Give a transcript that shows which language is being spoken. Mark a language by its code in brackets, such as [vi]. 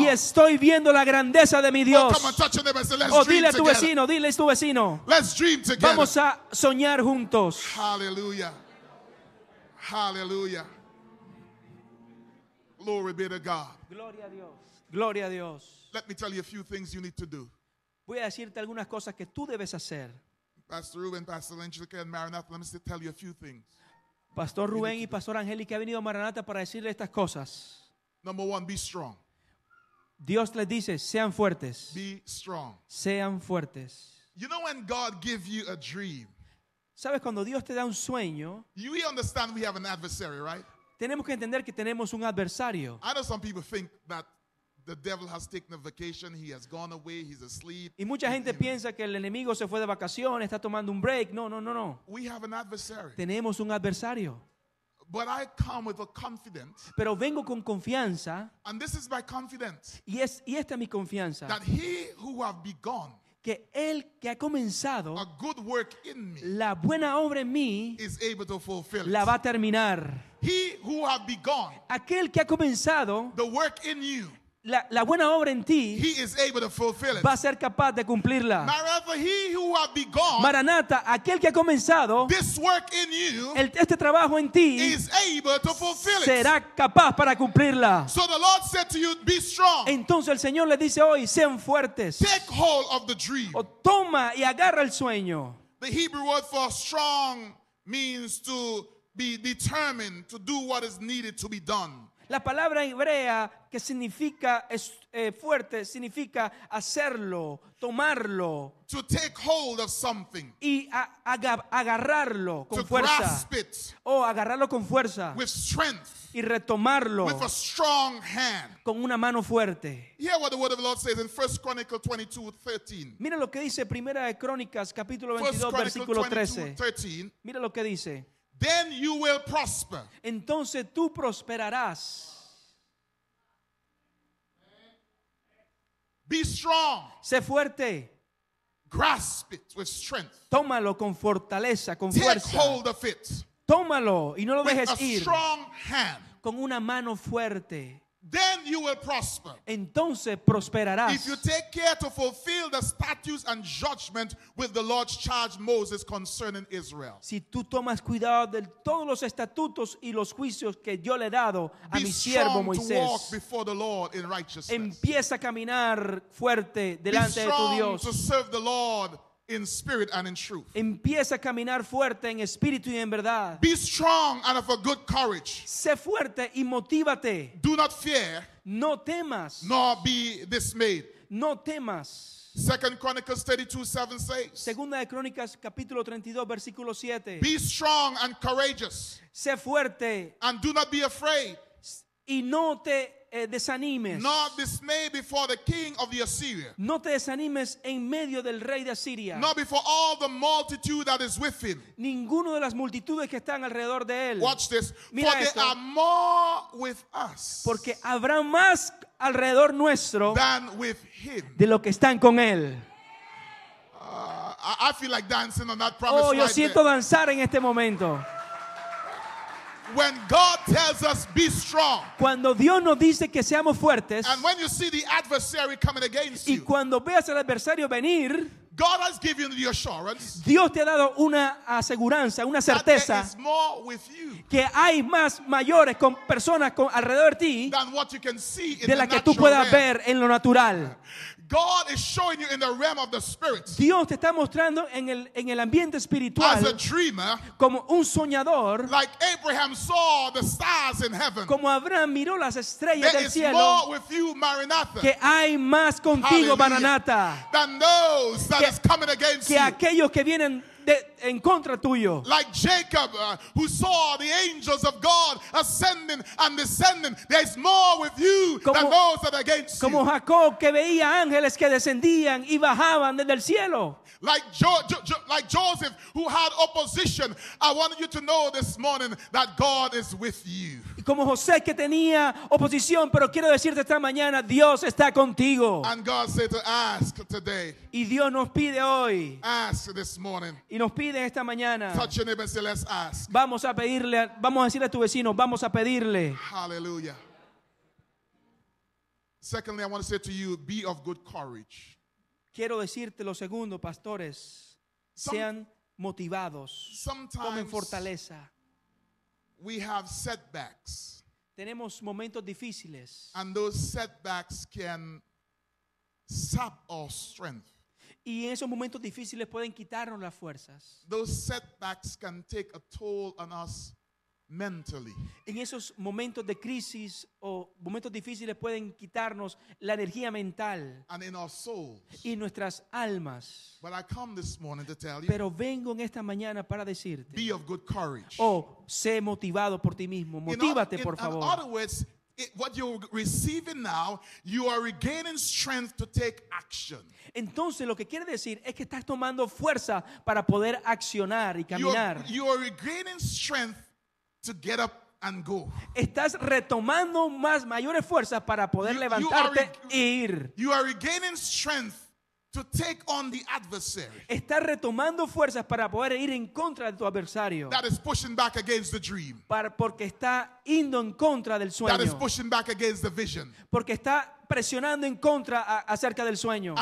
[es] Y estoy viendo la grandeza de mi Dios. [en] Come and touch your neighbor and say, let's dream [es] dile a tu [en] together. [es] Vecino, dile a tu vecino. [en] Let's dream together. [es] Vamos a soñar juntos. [en] Hallelujah. Hallelujah. Glory be to God. [es] Gloria a Dios. Gloria a Dios. [en] Let me tell you a few things you need to do. [es] Voy a decirte algunas cosas que tú debes hacer. [en] Pastor Ruben, Pastor Angelica, and Maranatha, let me tell you a few things. [es] Pastor Ruben y Pastor Angelica han venido a Maranatha para decirle estas cosas. [en] Number one, be strong. [es] Dios les dice, sean fuertes. [en] Be strong. [es] Sean fuertes. [en] You know when God gives you a dream. [es] ¿Sabes cuando Dios te da un sueño? [en] You understand we have an adversary, right? [es] Tenemos que entender que tenemos un adversario. [en] I know some people think that the devil has taken a vacation, he has gone away, he's asleep. [es] Y mucha gente piensa que el enemigo se fue de vacaciones, está tomando un break. [en] No. We have an adversary. [es] Tenemos un adversario. [en] But I come with a confidence. [es] Pero vengo con confianza. [en] And this is my confidence. [es] Y esta es mi confianza. [en] That he who have begun. [es] Que el que ha comenzado. [en] A good work in me. [es] La buena obra en mí. [en] Is able to fulfill it. [es] La va a terminar. [en] He who have begun. [es] Aquel que ha comenzado. [en] The work in you. [es] La buena obra en ti. [en] He is able to fulfill it. [es] Va a ser capaz de cumplirla. [en] Maranatha, he who have begun. [es] Maranatha, aquel que ha comenzado. [en] This work in you. [es] Este trabajo en ti. [en] Is able to fulfill it. [es] Será capaz para cumplirla. [en] So the Lord said to you, be strong. [es] Entonces el Señor le dice hoy, sean fuertes. [en] Take hold of the dream. [es] O toma y agarra el sueño. [en] The Hebrew word for strong means to be determined to do what is needed to be done. [es] La palabra hebrea que significa fuerte significa hacerlo, tomarlo. [en] To take hold of something. [es] Y agarrarlo con [en] to [es] fuerza. [en] Grasp it. [es] O agarrarlo con fuerza. [en] With strength. [es] Y retomarlo. [en] With a strong hand. [es] Con una mano fuerte. [en] Hear what the word of the Lord says in 1 Chronicles 22, 13. [es] Mira lo que dice Primera de Crónicas, capítulo 22, versículo 13. Mira lo que dice. [en] Then you will prosper. [es] Entonces tú prosperarás. [en] Be strong. [es] Sé fuerte. [en] Grasp it with strength. [es] Tómalo con fortaleza, con [en] Take [es] fuerza. [en] Take hold of it. [es] Tómalo y no lo dejes ir. [en] With a strong hand. [es] Con una mano fuerte. [en] Then you will prosper. [es] Entonces prosperarás. [en] If you take care to fulfill the statutes and judgment with the Lord's charge Moses concerning Israel. [es] Si tú tomas cuidado de todos los estatutos y los juicios que yo le he dado a mi siervo Moisés. [en] Be strong to walk before the Lord in righteousness. [es] Empieza a caminar fuerte delante de tu Dios. [en] Be strong to serve the Lord in spirit and in truth. [es] Empieza a caminar fuerte en espíritu y en verdad. [en] Be strong and of a good courage. [es] Sé fuerte y motívate. [en] Do not fear. [es] No temas. [en] Nor be dismayed. [es] No temas. [en] 2 Chronicles 32:7 says. [es] Segunda de Crónicas capítulo 32 versículo 7. [en] Be strong and courageous. [es] Sé fuerte. [en] And do not be afraid. [es] Y no te desanimes. [en] Not dismay before the king of the Assyria. [es] No te desanimes en medio del rey de Asiria. [en] Not before all the multitude that is with him. [es] Ninguno de las multitudes que están alrededor de él. [en] Watch this. [es] Mira [en] for [es] esto. [en] They are more with us. [es] Porque habrá más alrededor nuestro. [en] Than with him. [es] De lo que están con él. [en] I feel like dancing on that promise. [es] Oh, yo [en] right [es] siento [en] there. [es] Danzar en este momento. [en] When God tells us be strong. [es] Cuando Dios nos dice que seamos fuertes. [en] And when you see the adversary coming against [es] y cuando veas al adversario venir. [en] God has given you the assurance. [es] Dios te ha dado una aseguranza, una certeza. [en] That there is more with you. [es] Que hay más mayores con personas alrededor de ti. [en] Than what you can see in [es] de [en] the [es] la que [en] natural [es] tú puedas ver en lo natural. [en] God is showing you in the realm of the spirit. [es] Dios te está mostrando en el ambiente espiritual. [en] As a dreamer, [es] como un soñador. [en] Like Abraham saw the stars in heaven. [es] Como Abraham miró las estrellas [en] there [es] del cielo. [en] There is more with you, Maranatha. [es] Que hay más contigo, Maranatha. [en] Than those that is coming against [es] que [en] you. [es] Que aquellos que vienen en contra tuyo. [en] Like Jacob, who saw the angels of God ascending and descending, there is more with you than those that are against you. [es] Como Jacob que veía ángeles que descendían y bajaban desde el cielo. [en] Like Joseph, who had opposition, I want you to know this morning that God is with you. [es] Como José que tenía oposición, pero quiero decirte esta mañana, Dios está contigo. [en] And God said to ask today. [es] Y Dios nos pide hoy. [en] Ask this morning. [es] Y nos pide esta mañana. [en] Touch your neighbor and say, let's ask. [es] Vamos a pedirle, vamos a decirle a tu vecino, vamos a pedirle. [en] Hallelujah. Secondly, I want to say to you, be of good courage. [es] Quiero decirte lo segundo, pastores, sean motivados, tomen fortaleza. [en] We have setbacks. [es] Tenemos momentos difíciles. [en] And those setbacks can sap our strength. [es] Y esos momentos difíciles pueden quitarnos las fuerzas. [en] Those setbacks can take a toll on us mentally. [es] En esos momentos de crisis o momentos difíciles pueden quitarnos la energía mental [en] and in our souls. [es] Y nuestras almas. [en] But I come this morning to tell you, [es] pero vengo en esta mañana para decirte, [en] be of good courage. [es] Oh, sé motivado por ti mismo. Motívate, por favor. [en] In other words, what you're receiving now, you are regaining strength to take action. [es] Entonces, lo que quiere decir es que estás tomando fuerza para poder accionar y caminar. [en] You are regaining strength to get up and go. [es] Estás retomando más mayores fuerzas para poder levantarte e ir. [en] You are regaining strength to take on the adversary. [es] Estás retomando fuerzas para poder ir en contra de tu adversario. [en] That is pushing back against the dream. [es] Porque está indo en contra del sueño. [en] That is pushing back against the vision. [es] Porque está presionando en contra acerca del sueño.